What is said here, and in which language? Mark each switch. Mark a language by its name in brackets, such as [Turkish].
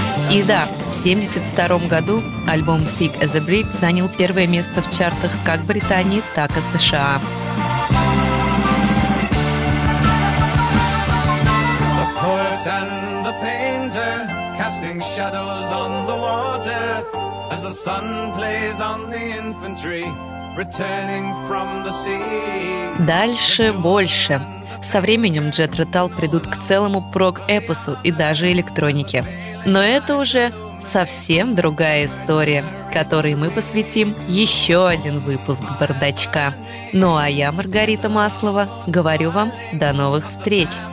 [Russian] И да, в 72-м году альбом «Thick as a Brick» занял первое место в чартах как Британии, так и США. [English] The poet and the painter casting shadows on the water as the sun plays on the infantry returning from the sea. [Russian] Дальше больше. Со временем Джетро Талл придут к целому прог-эпосу и даже электронике. Но это уже совсем другая история, которой мы посвятим еще один выпуск «Бардачка». Ну а я, Маргарита Маслова, говорю вам до новых встреч.